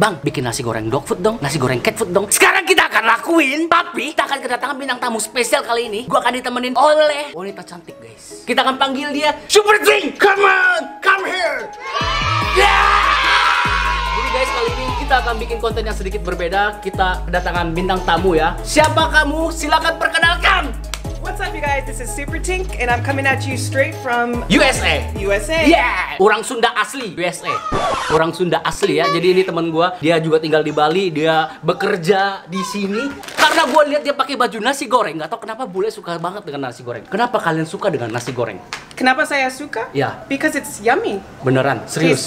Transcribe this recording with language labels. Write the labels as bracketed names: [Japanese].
[Indonesian] Bang, bikin nasi goreng dog food dong, nasi goreng cat food dong. Sekarang kita akan lakuin, tapi kita akan kedatangan bintang tamu spesial kali ini. Gua akan ditemenin oleh wanita cantik, guys. Kita akan panggil dia Super Thing. [English] Come on, come here. Yeah! [Indonesian] Jadi guys, kali ini kita akan bikin konten yang sedikit berbeda. Kita kedatangan bintang tamu ya. Siapa kamu? Silakan perkenalkan. [English] What's up you guys, this is Super Tink and I'm coming at you straight from USA. USA. [Indonesian] Yeah. Orang Sunda asli USA. Orang Sunda asli ya. Jadi ini teman gua, dia juga tinggal di Bali, dia bekerja di sini. Karena gua lihat dia pakai baju nasi goreng, enggak tahu kenapa bule suka banget dengan nasi goreng. Kenapa kalian suka dengan nasi goreng? Kenapa saya suka? [English] Yeah. Because it's yummy. [Indonesian] Beneran, serius.